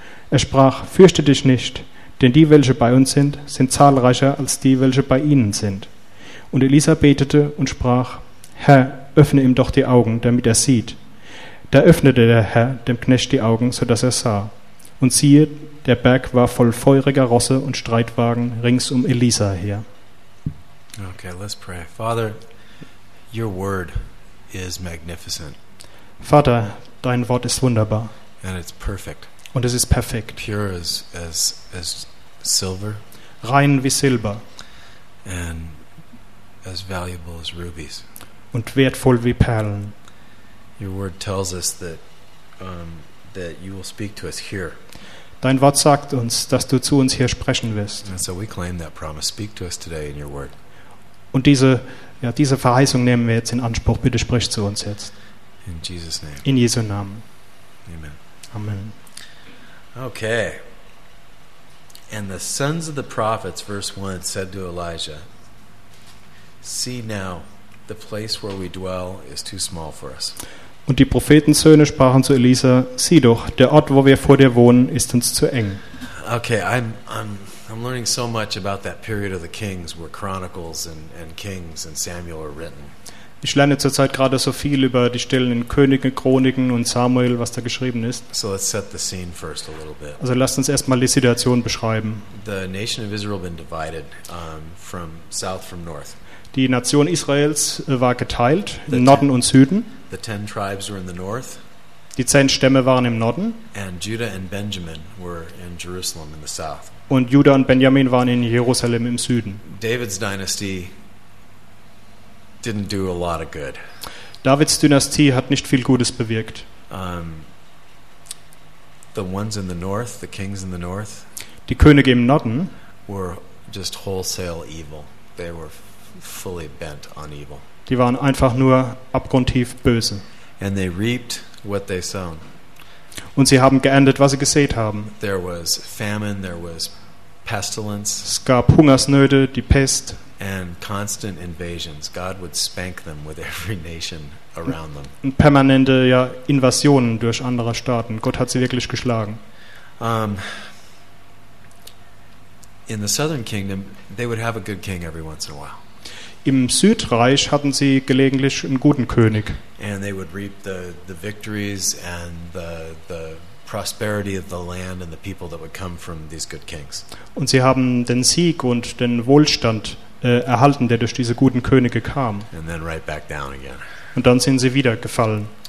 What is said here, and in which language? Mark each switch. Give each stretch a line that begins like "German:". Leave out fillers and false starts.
German: Er sprach, fürchte dich nicht, denn die, welche bei uns sind, sind zahlreicher als die, welche bei ihnen sind. Und Elisa betete und sprach, Herr, öffne ihm doch die Augen, damit er sieht. Da öffnete der Herr dem Knecht die Augen, so dass er sah. Und siehe, der Berg war voll feuriger Rosse und Streitwagen rings um Elisa her.
English: Okay, let's pray. Father, your word is magnificent.
German: Vater, dein Wort ist wunderbar.
English: And it's perfect.
German: Und es ist perfekt.
English: Pure as silver.
German: Rein wie Silber.
English: And as valuable as rubies.
German: Und wertvoll wie Perlen.
English: Your word tells us that that you will speak to us here.
German: Dein Wort sagt uns, dass du zu uns hier sprechen wirst.
English: And so we claim that promise. Speak to us today in your word.
German: Und diese Verheißung nehmen wir jetzt in Anspruch. Bitte sprich zu uns jetzt.
English: In Jesus name.
German: In Jesu Namen. Amen. Amen. Okay.
English: And the sons of the prophets, verse 1, said to Elijah, see now, the place where we dwell is too small for us.
German: Und die Prophetensöhne sprachen zu Elisa, sieh doch, der Ort, wo wir vor dir wohnen, ist uns zu eng.
English: Okay, I'm learning so much about that period of the kings where Chronicles and Kings and Samuel are written.
German: Ich lerne zurzeit gerade so viel über die Stellen in Könige, Chroniken und Samuel, was da geschrieben ist.
English: So let's set the scene first a little bit.
German: Also lasst uns erstmal die Situation beschreiben.
English: The nation of Israel been divided from south from north.
German: Die Nation Israels war geteilt in Norden und Süden.
English: The 10 tribes were in the north.
German: Die 10 Stämme waren im Norden.
English: And Judah and Benjamin were in Jerusalem in the south.
German: Und Judah und Benjamin waren in Jerusalem im Süden.
English: David's dynasty didn't do a lot of good.
German: Davids Dynastie hat nicht viel Gutes bewirkt.
English: The ones in the north, the kings in the north.
German: Die Könige im Norden
English: were just wholesale evil. They were fully bent on evil.
German: Die waren einfach nur abgrundtief böse.
English: And they reaped what they sown.
German: Und sie haben geerntet, was sie gesät haben.
English: There was famine, there was pestilence.
German: Es gab Hungersnöte, die Pest.
English: And constant invasions. God would spank them with every nation around them.
German: Permanente Invasionen durch andere Staaten. Gott hat sie wirklich geschlagen.
English: In the Southern Kingdom, they would have a good king every once in a while.
German: Im Südreich hatten sie gelegentlich einen guten König.
English: And they would reap the victories and the prosperity of the land and the people that would come from these good kings.
German: Und sie haben den Sieg und den Wohlstand erhalten, der durch diese guten Könige kam.
English: And then right back down again.
German: Und dann sind sie wieder gefallen.